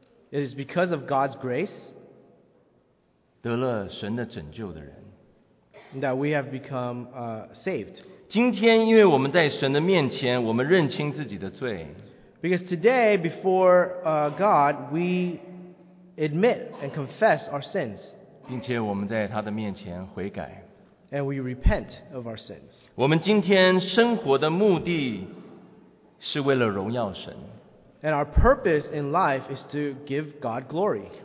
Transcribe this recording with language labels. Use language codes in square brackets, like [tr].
[en] It is because of God's grace. [zh] 得了神的拯救的人。 [en] That we have become saved. [zh] 今天因为我们在神的面前, 我们认清自己的罪。 [en] Because today before God, we admit and confess our sins. [zh] 并且我们在他的面前悔改。 [en] And we repent of our sins. [zh] 我们今天生活的目的是为了荣耀神。 [en] And our purpose in life is to give God glory.